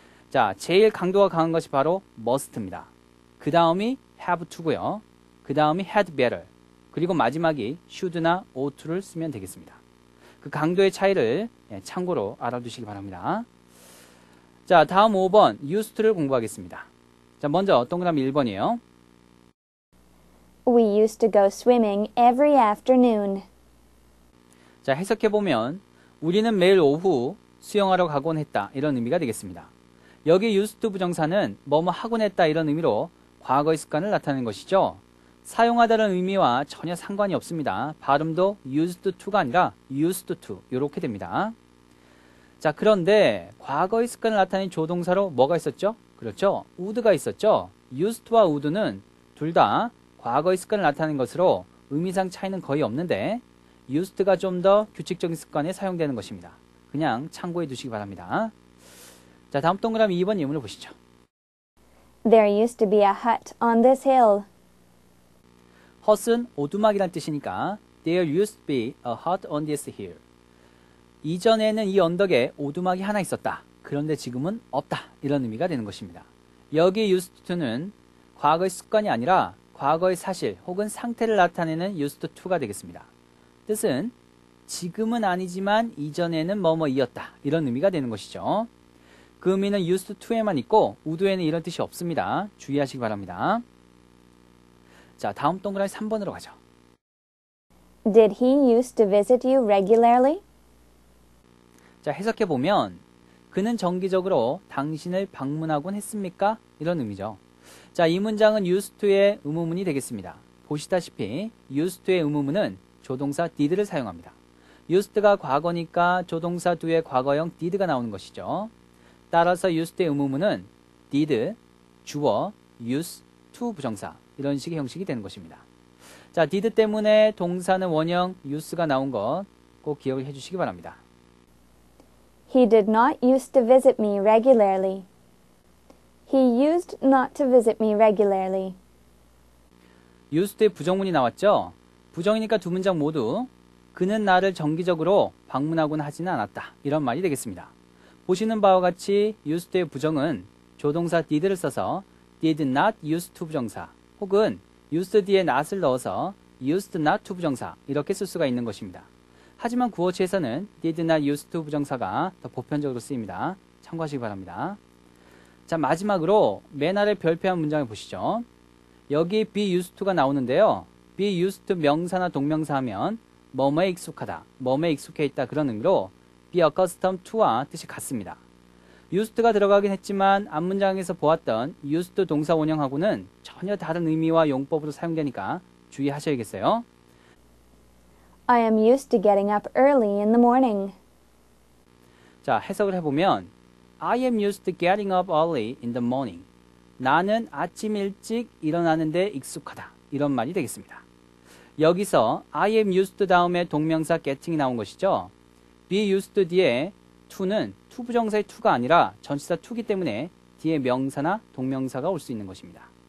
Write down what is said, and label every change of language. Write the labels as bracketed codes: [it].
[ko] 자, 제일 강도가 강한 것이 바로 must입니다. 그 다음이 have to고요. 그 다음이 had better. 그리고 마지막이 should나 ought를 쓰면 되겠습니다. 그 강도의 차이를 예, 참고로 알아두시기 바랍니다. 자, 다음 5번 used를 공부하겠습니다. 자, 먼저 동그라미 1번이에요. [en] We used to go swimming every afternoon. [ko] 자, 해석해보면 우리는 매일 오후 수영하러 가곤 했다 이런 의미가 되겠습니다. 여기 used to 부정사는 뭐뭐 하곤 했다 이런 의미로 과거의 습관을 나타내는 것이죠. 사용하다는 의미와 전혀 상관이 없습니다. 발음도 used to가 아니라 used to 이렇게 됩니다. 자, 그런데 과거의 습관을 나타낸 조동사로 뭐가 있었죠? 그렇죠. would가 있었죠. used to와 would는 둘 다 과거의 습관을 나타내는 것으로 의미상 차이는 거의 없는데 used가 좀 더 규칙적인 습관에 사용되는 것입니다. 그냥 참고해 두시기 바랍니다. 자, 다음 동그라미 2번 예문을 보시죠. [en] There used to be a hut on this hill. Hut은 [ko] 오두막이란 뜻이니까 [en] There used to be a hut on this hill. [ko] 이전에는 이 언덕에 오두막이 하나 있었다. 그런데 지금은 없다. 이런 의미가 되는 것입니다. 여기 used to는 과거의 습관이 아니라 과거의 사실 혹은 상태를 나타내는 used to가 되겠습니다. 뜻은 지금은 아니지만 이전에는 뭐뭐이었다. 이런 의미가 되는 것이죠. 그 의미는 used to에만 있고 would에는 이런 뜻이 없습니다. 주의하시기 바랍니다. 자, 다음 동그라미 3번으로 가죠. [en] Did he used to visit you regularly? [ko] 자, 해석해보면 그는 정기적으로 당신을 방문하곤 했습니까? 이런 의미죠. 자, 이 문장은 used to의 의무문이 되겠습니다. 보시다시피 used to의 의무문은 조동사 did를 사용합니다. used가 과거니까 조동사 do의 과거형 did가 나오는 것이죠. 따라서 used의 의무문은 did, 주어, use, to 부정사 이런 식의 형식이 되는 것입니다. 자, did 때문에 동사는 원형 use가 나온 것 꼭 기억을 해주시기 바랍니다. [en] He did not used to visit me regularly. He used not to visit me regularly. [ko] used의 부정문이 나왔죠? 부정이니까 두 문장 모두 그는 나를 정기적으로 방문하곤 하지는 않았다. 이런 말이 되겠습니다. 보시는 바와 같이 used의 부정은 조동사 did를 써서 did not used to 부정사 혹은 used 뒤에 not을 넣어서 used not to 부정사 이렇게 쓸 수가 있는 것입니다. 하지만 구어체에서는 did not used to 부정사가 더 보편적으로 쓰입니다. 참고하시기 바랍니다. 자, 마지막으로 맨 아래 별표한 문장을 보시죠. 여기 be used to가 나오는데요. be used to 명사나 동명사 하면 뭐뭐에 익숙하다, 뭐뭐에 익숙해 있다 그런 의미로 be accustomed to와 뜻이 같습니다. used가 들어가긴 했지만 앞문장에서 보았던 used 동사 원형하고는 전혀 다른 의미와 용법으로 사용되니까 주의하셔야겠어요. [en] I am used to getting up early in the morning. [ko] 자, 해석을 해보면 [en] I am used to getting up early in the morning. [ko] 나는 아침 일찍 일어나는데 익숙하다. 이런 말이 되겠습니다. 여기서 I am used 다음에 동명사 getting이 나온 것이죠. be used 뒤에 to는 to 부정사의 to가 아니라 전치사 to이기 때문에 뒤에 명사나 동명사가 올 수 있는 것입니다.